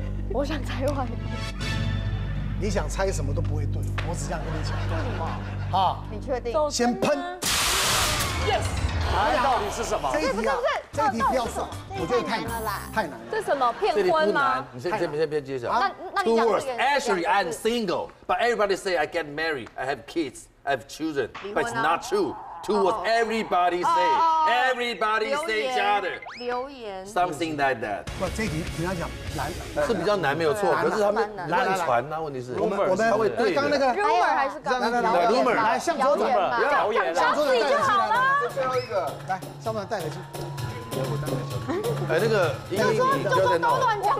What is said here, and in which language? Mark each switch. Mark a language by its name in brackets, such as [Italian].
[Chinese] 我想猜外遇。你想猜什么都不会对，我只想跟你讲。为什么？啊，你确定？先喷。 [English] Yes。 [Chinese] 哎，到底是什么？这一题啊，这一题不要算，我觉得太难了，太难了。这什么骗婚吗？这里不难，你先别揭晓。那 [English] Two words. Actually, I'm single, but everybody say I get married, I have kids, I have children, but it's not true. Two words. Everybody say, everybody say each other. [Chinese] 留言。 [English] Something like that. [Chinese] 不，这题你要讲难，是比较难，没有错。可是他们乱传呐，问题是。我们他会对。刚那个 rumor 还是刚刚的 rumor。来，向左转。谣言。向左转。相信就好了。最后一个，来，向左转带回去。哎，那个，就说都乱讲，